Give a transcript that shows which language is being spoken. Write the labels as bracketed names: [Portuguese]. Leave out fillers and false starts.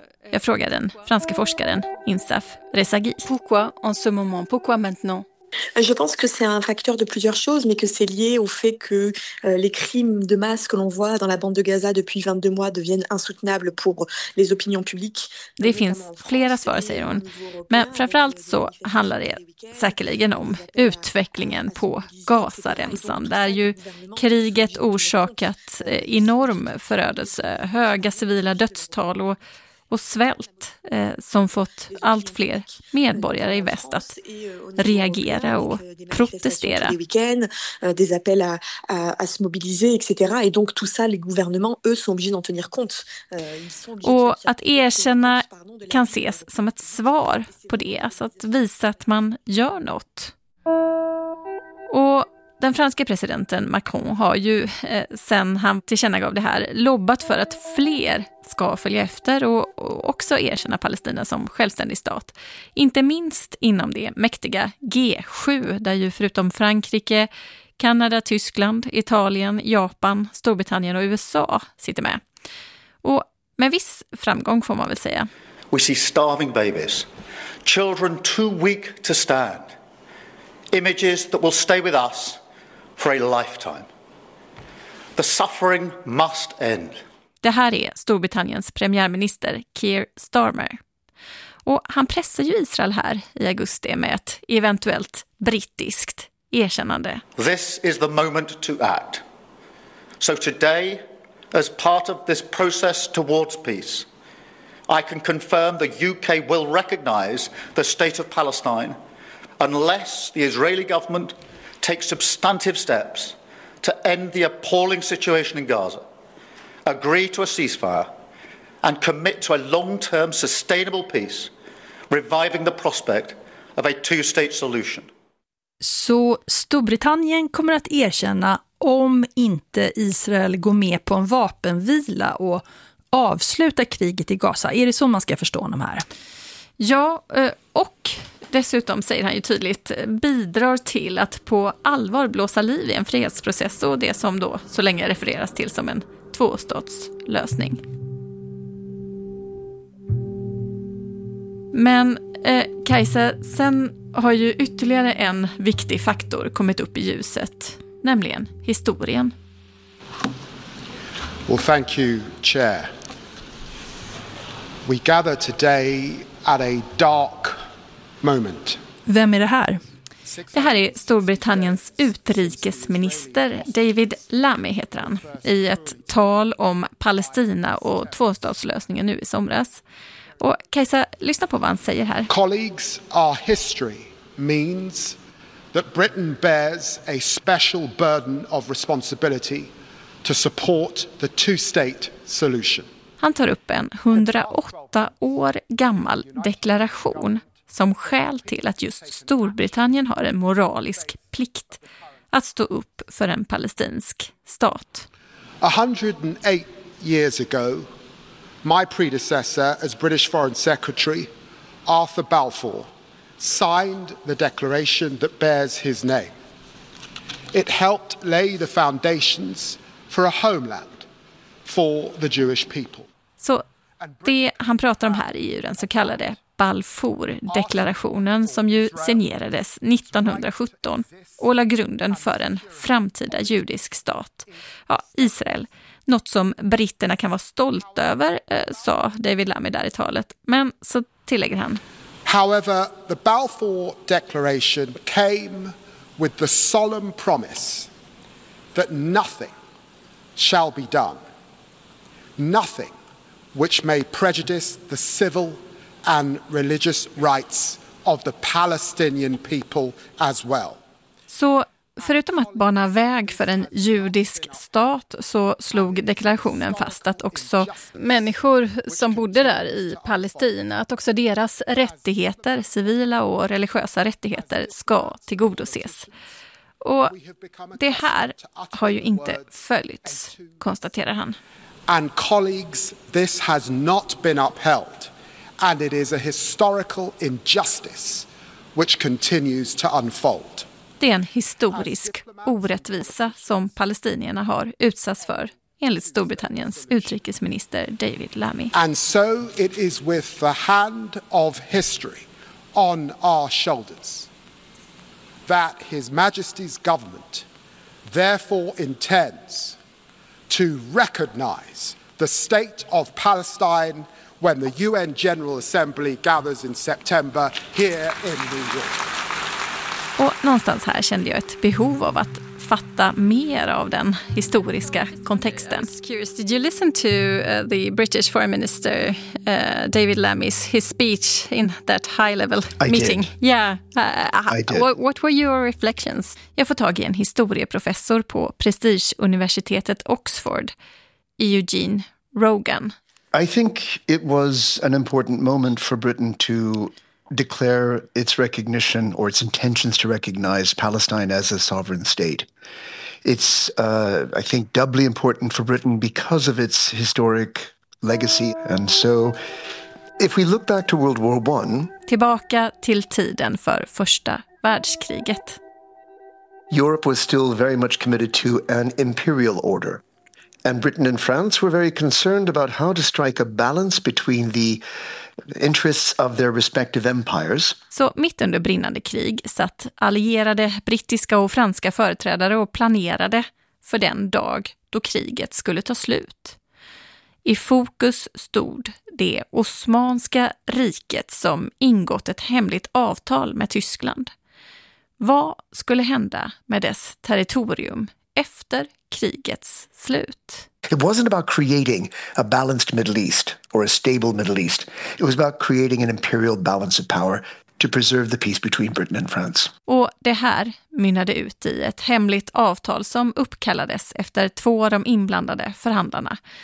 [Swedish] Jag frågar den franska forskaren Insaf Rezaghi. [French] Pourquoi en ce moment? Pourquoi maintenant? Je pense que c'est un facteur de plusieurs choses, mais que c'est lié au fait que les crimes de masse que l'on voit dans la bande de Gaza depuis 22 mois deviennent insoutenables pour les opinions publiques. [Swedish] Det finns flera svar, säger hon. Men framförallt så handlar det säkerligen om utvecklingen på Gazaremsan, där ju kriget orsakat enorm förödelse, höga civila dödstal och och svält som fått allt fler medborgare i väst att reagera och protestera. [French] Des appels à se mobiliser etc. Et donc tout ça les gouvernements eux sont obligés d'en tenir compte. [Swedish] Och att erkänna kan ses som ett svar på det, alltså att visa att man gör något. Och den franska presidenten Macron har ju sen han tillkännagav det här lobbat för att fler ska följa efter och också erkänna Palestina som självständig stat. Inte minst inom det mäktiga G7 där ju förutom Frankrike, Kanada, Tyskland, Italien, Japan, Storbritannien och USA sitter med. Och med viss framgång får man väl säga. [English] We see starving babies, children too weak to stand. Images that will stay with us for a lifetime. The suffering must end. [Swedish] Det här är Storbritanniens premiärminister Keir Starmer. Och han pressar ju Israel här i augusti med ett eventuellt brittiskt erkännande. [English] This is the moment to act. So today, as part of this process towards peace, I can confirm the UK will recognize the state of Palestine unless the Israeli government takes substantive steps to end the appalling situation in Gaza, agree to a ceasefire and commit to a long-term sustainable peace, reviving the prospect of a two-state solution. [Swedish] Så Storbritannien kommer att erkänna om inte Israel går med på en vapenvila och avslutar kriget i Gaza. Är det så man ska förstå de här? Ja, och dessutom säger han ju tydligt bidrar till att på allvar blåsa liv i en fredsprocess och det som då så länge refereras till som en tvåstatslösning. Men Kajsa, sen har ju ytterligare en viktig faktor kommit upp i ljuset, nämligen historien. [English] Well, thank you, Chair. We gather today at a dark moment. [Swedish] Vem är det här? Det här är Storbritanniens utrikesminister David Lammy heter han i ett tal om Palestina och tvåstatslösningen nu i somras. Och Kajsa, lyssna på vad han säger här. [English] Colleagues, our history means that Britain bears a special burden of responsibility to support the two-state solution. [Swedish] Han tar upp en 108 år gammal deklaration som skäl till att just Storbritannien har en moralisk plikt att stå upp för en palestinsk stat. [English] 108 years ago, my predecessor as British Foreign Secretary, Arthur Balfour, signed the declaration that bears his name. It helped lay the foundations for a homeland for the Jewish people. [Swedish] Så det han pratar om här är ju den så kallade Balfour-deklarationen som ju signerades 1917 och la grunden för en framtida judisk stat. Ja, Israel. Något som britterna kan vara stolta över, sa David Lammy där i talet. Men så tillägger han. [English] However, the Balfour Declaration came with the solemn promise that nothing shall be done. Nothing which may prejudice the civil and religious rights of the Palestinian people as well. [Swedish] Så förutom att bana väg för en judisk stat så slog deklarationen fast att också människor som bodde där i Palestina, att också deras rättigheter, civila och religiösa rättigheter, ska tillgodoses. Och det här har ju inte följts, konstaterar han. [English] And colleagues, this has not been upheld, and it is a historical injustice which continues to unfold. [Swedish] Det är en historisk orättvisa som palestinierna har utsatts för, enligt Storbritanniens utrikesminister David Lammy. [English] And so it is with the hand of history on our shoulders that His Majesty's government therefore intends to recognize the state of Palestine when the UN General Assembly gathers in September here in New York. [Swedish] Och någonstans här kände jag ett behov av att fatta mer av den historiska kontexten. [English] Curious, did you listen to the British Foreign Minister David Lammy's his speech in that high level meeting? Did. Yeah. I did. What were your reflections? [Swedish] Jag får tag i en historieprofessor på prestigeuniversitetet Oxford, Eugene Rogan. [English] I think it was an important moment for Britain to declare its recognition or its intentions to recognize Palestine as a sovereign state. It's, I think, doubly important for Britain because of its historic legacy. And so, if we look back to World War One, [Swedish] tillbaka till tiden för första världskriget. [English] Europe was still very much committed to an imperial order. And Britain and France were very concerned about how to strike a balance between the interests of their respective empires. [Swedish] Så mitt under brinnande krig satt allierade brittiska och franska företrädare och planerade för den dag då kriget skulle ta slut. I fokus stod det osmanska riket som ingått ett hemligt avtal med Tyskland. Vad skulle hända med dess territorium efter krigets slut? [English] It wasn't about creating a balanced Middle East or a stable Middle East. It was about creating an imperial balance of power to preserve the peace between Britain and France. [Swedish] Och det här mynnade ut i ett hemligt avtal som uppkallades efter två av de inblandade förhandlarna.